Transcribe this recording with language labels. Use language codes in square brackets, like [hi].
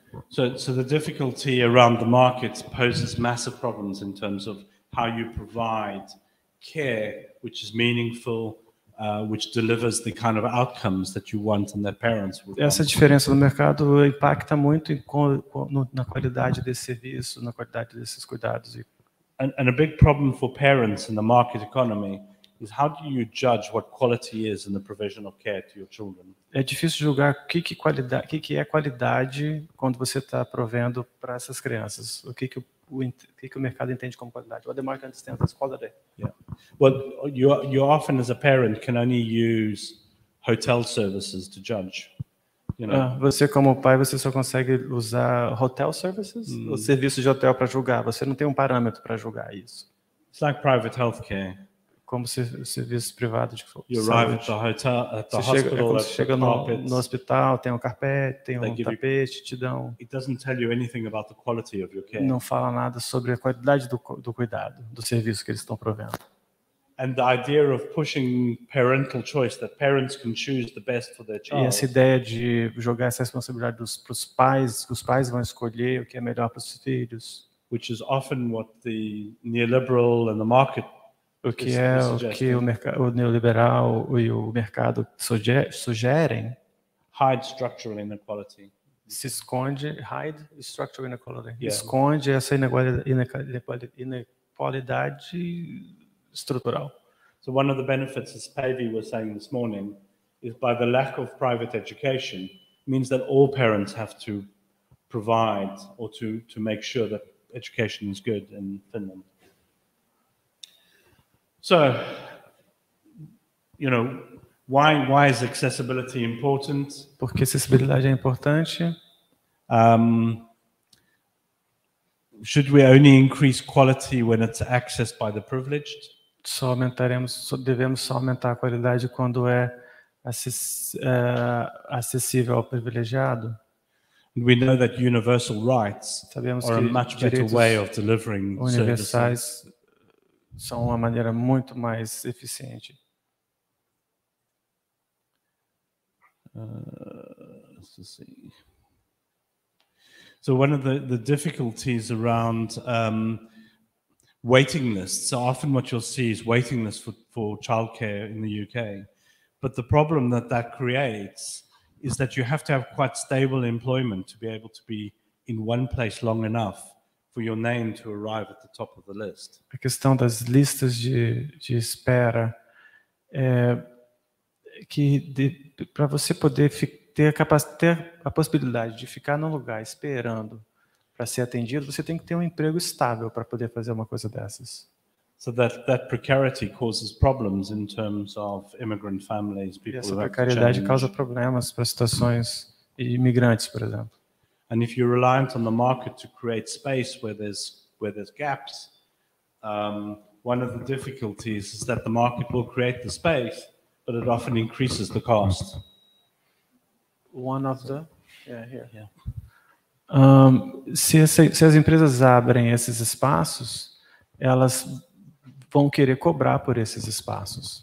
[en] So the difficulty around the market poses massive problems in terms of how you provide care which is meaningful, which delivers the kind of outcomes that you want and that parents would want. [pt] Essa diferença no mercado impacta muito na qualidade desse serviço, na qualidade desses cuidados. [en] And a big problem for parents in the market economy is how do you judge what quality is in the provision of care to your children? [pt] É difícil julgar o que é qualidade quando você está provendo para essas crianças. O que o mercado entende como qualidade? [en] What the market understands as quality. Yeah. Well, you often as a parent can only use hotel services to judge. You know? [pt] Você como pai, você só consegue usar [en] hotel services, [pt] os serviços de hotel para julgar. Você não tem um parâmetro para julgar isso. [en] It's like private healthcare. [pt] como serviço privado de saúde. [en] You arrive at the hotel, at the hospital, [pt] chega no hospital, tem um carpete, tem um tapete, te dão. [en] It doesn't tell you anything about the quality of your care. [pt] Não fala nada sobre a qualidade do cuidado, do serviço que eles estão provendo. [en] And the idea of pushing parental choice, that parents can choose the best for their child. [pt] E essa ideia de jogar essa responsabilidade para os pais, que os pais vão escolher o que é melhor para os filhos. [en] Which is often what the neoliberal and the market. [pt] O que é o que o neoliberal e o mercado sugerem? [en] Hide structural inequality. [pt] Se esconde, [en] hide structural inequality. [pt] Yeah. Esconde essa inequalidade estrutural. [en] So one of the benefits, as Pavi was saying this morning, is by the lack of private education means that all parents have to provide or to make sure that education is good in Finland. So, you know, why is accessibility important? [pt] Porque acessibilidade é importante. [en] Should we only increase quality when it's accessed by the privileged? [pt] Só aumentaremos, devemos só aumentar a qualidade quando é acessível ao privilegiado. [en] We know that universal rights are a much better way of delivering services. [pt] Universais são uma maneira muito mais eficiente. [en] So one of the difficulties around waiting lists. So often what you'll see is waiting lists for childcare in the UK. But the problem that creates is that you have to have quite stable employment to be able to be in one place long enough for your name to arrive at the top of the list. [pt] A questão das listas de espera é que para você poder ter a possibilidade de ficar num lugar esperando para ser atendido, você tem que ter um emprego estável para poder fazer uma coisa dessas. [en] So that precarity causes problems in terms of immigrant families, people who have to change. [pt] Essa precariedade causa problemas para situações de imigrantes, por exemplo. [en] And if you're reliant on the market to create space where there's gaps, one of the difficulties is that the market will create the space, but it often increases the cost. One of the [pt] se as empresas abrem esses espaços, elas vão querer cobrar por esses espaços.